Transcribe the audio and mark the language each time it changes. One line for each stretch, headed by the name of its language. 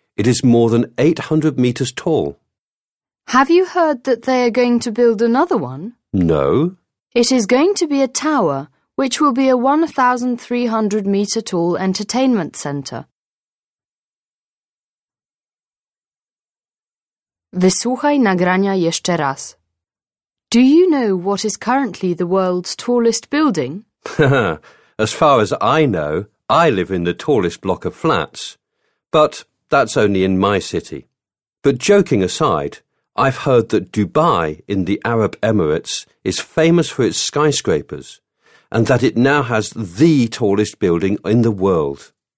English: It is more than 800 meters tall. Have you heard that they are going to build another one? No. It is going to be a tower, which will be a 1,300 meter tall entertainment center.
Polish: Wysłuchaj nagrania jeszcze raz.
English: Do you know what is currently the world's tallest building? As far as I know, I live in the tallest block of flats. But that's only in my city. But joking aside, I've heard that Dubai in the Arab Emirates is famous for its skyscrapers and that it now has the tallest building in the world.